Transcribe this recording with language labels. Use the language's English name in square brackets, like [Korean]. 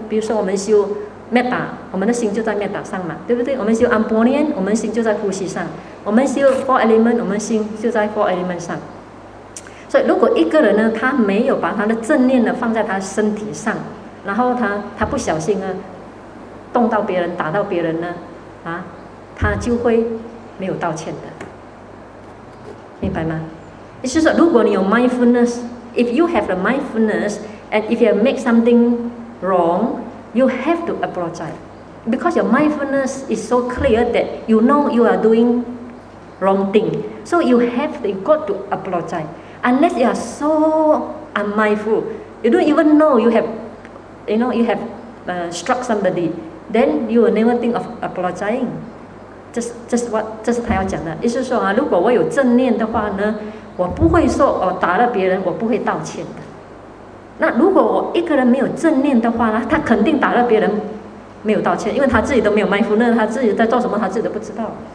[Chinese] 比如说我们修 metta， 我们的心就在 metta 上嘛，对不对？我们修 ambonian， 我们心就在呼吸上；我们修 four element， 我们心就在 four element 上。所以如果一个人呢，他没有把他的正念呢放在他身体上，然后他不小心呢动到别人打到别人呢，啊，他就会没有道歉的，明白吗？也就是说，如果你有 [English] mindfulness， if you have the mindfulness， and if you make something wrong， you have to apologize， because your mindfulness is so clear that you know you are doing wrong thing， so you got to apologize。 Unless you are so unmindful, you don't even know you have struck somebody, then you will never think of apologizing. [Chinese] Just 他要讲的，意思说啊，如果我有正念的话呢，我不会说我打了别人，我不会道歉的。那如果我一个人没有正念的话呢，他肯定打了别人没有道歉，因为他自己都没有 mindfulness， 他自己在做什么，他自己都不知道。